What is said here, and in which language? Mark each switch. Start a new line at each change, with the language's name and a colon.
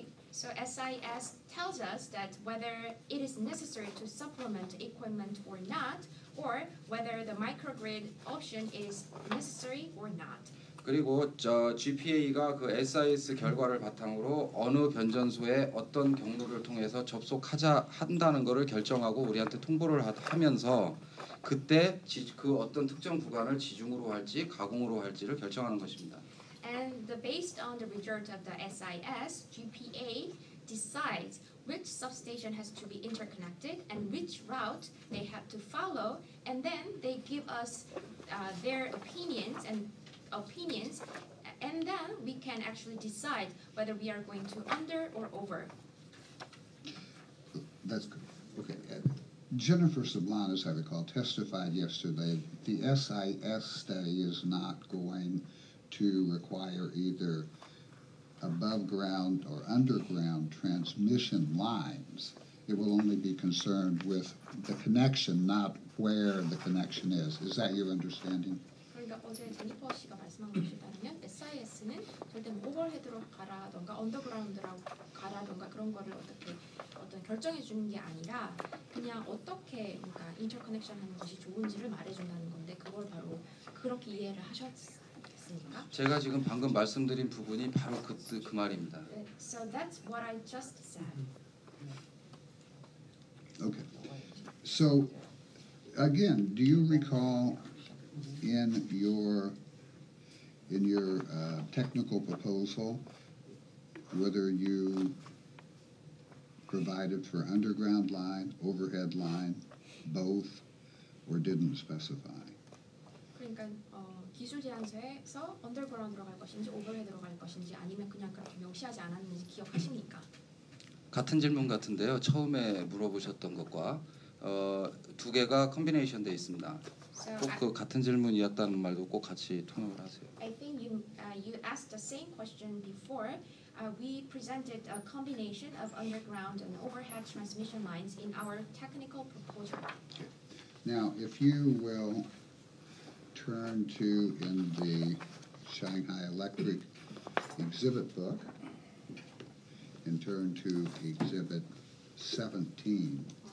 English: So SIS tells us that whether it is necessary to supplement equipment or not, or whether the microgrid option is necessary or not.
Korean: 그리고 저 GPA가 그 SIS 결과를 바탕으로 어느 변전소에 어떤 경로를 통해서 접속하자 한다는 것을 결정하고 우리한테 통보를 하면서 그때 그 어떤 특정 구간을 지중으로 할지 가공으로 할지를 결정하는 것입니다.
English: And based on the result of the SIS, GPA decides which substation has to be interconnected and which route they have to follow, and then they give us their opinions, and then we can actually decide whether we are going to under or over. That's good. Okay. Jennifer Sablon, as I recall, testified yesterday the SIS study is not going to require either above ground or underground transmission lines. It will only be concerned with the connection, not where the connection is. Is that your understanding?
Korean: 그러니까 어제 제니퍼 씨가 말씀한 것에 따르면 SIS SIS는 절대 오버헤드로 가라던가 언더그라운드라고 가라던가 그런 거를 어떻게 어떤 결정해 주는 게 아니라 그냥 어떻게 그러니까 인터커넥션 하는 것이 좋은지를 말해 준다는 건데 그걸 바로 그렇게 이해를 하셨습니까? 제가 지금 방금 말씀드린 부분이 바로 그 말입니다.
English: So that's what I just said. Okay. So again, do you recall in your technical proposal whether you provided for underground line, overhead line, both, or didn't specify?
Korean: 그러니까 기술 제안서에서 언더그라운드로 갈 것인지 오버헤드로 갈 것인지 아니면 그냥 그렇게 명시하지 않았는지 기억하십니까? 같은 질문 같은데요. 처음에 물어보셨던 것과 두 개가 컴비네이션 돼 있습니다.
English: So
Korean: 꼭 그 같은 질문이었다는 말도 꼭 같이 통역을 하세요.
English: I think you asked the same question before. We presented a combination of underground and overhead transmission lines in our technical proposal. Now, if you will turn to in the Shanghai Electric exhibit book and turn to exhibit 17.